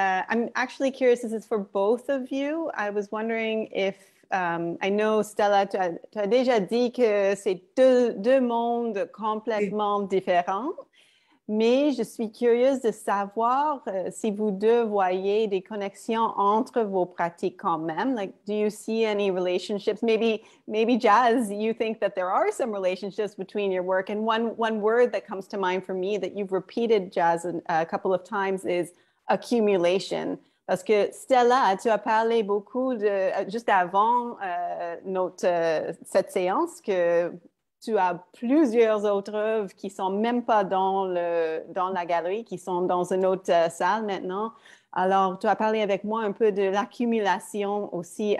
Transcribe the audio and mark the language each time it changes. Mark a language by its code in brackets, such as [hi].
[en] I'm actually curious, this is for both of you. I was wondering if, I know Stella, [fr] tu as déjà dit que c'est deux mondes complètement différents, mais je suis curieuse de savoir si vous deux voyez des connexions entre vos pratiques quand même. [en] Like, do you see any relationships? Maybe Jazz, you think that there are some relationships between your work. And one word that comes to mind for me that you've repeated, Jazz, a couple of times is accumulation. [fr] Parce que Stella, tu as parlé beaucoup de juste avant cette séance que tu as plusieurs autres œuvres qui sont même pas dans la galerie, qui sont dans une autre salle maintenant. Alors, tu as parlé avec moi un peu de l'accumulation aussi.